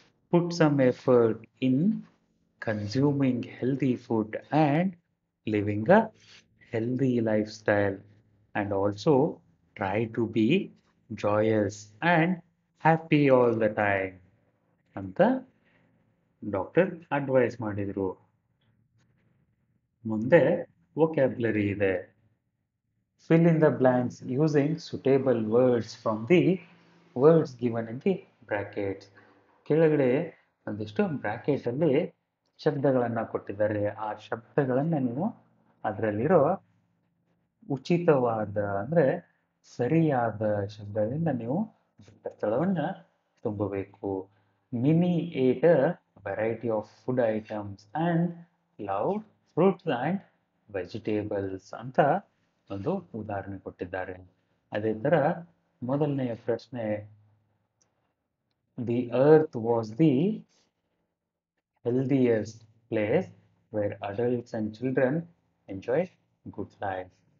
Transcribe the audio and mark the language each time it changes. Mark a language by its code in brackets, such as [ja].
[en] Put some effort in consuming healthy food and living a healthy lifestyle, and also try to be joyous and happy all the time. And the doctor advice [kn] madidru. Munde vocabulary ide. [en] Fill in the blanks using suitable words from the words given in the brackets. [kn] ಕೆಳಗಡೆ ಒಂದಿಷ್ಟು ಬ್ರಾಕೆಟಲ್ಲಿ ಶಬ್ದಗಳನ್ನು ಕೊಟ್ಟಿದ್ದಾರೆ. ಆ ಶಬ್ದಗಳನ್ನು ನೀವು ಅದರಲ್ಲಿರೋ ಉಚಿತವಾದ ಅಂದರೆ ಸರಿಯಾದ ಶಬ್ದದಿಂದ ನೀವು ಸ್ಥಳವನ್ನು ತುಂಬಬೇಕು. [en] Mini ate variety of food items and loved fruits and vegetables [kn] ಅಂತ ಒಂದು ಉದಾಹರಣೆ ಕೊಟ್ಟಿದ್ದಾರೆ. ಅದೇ ಥರ ಮೊದಲನೆಯ ಪ್ರಶ್ನೆ, [en] the earth was the healthiest place where adults and children enjoy good life.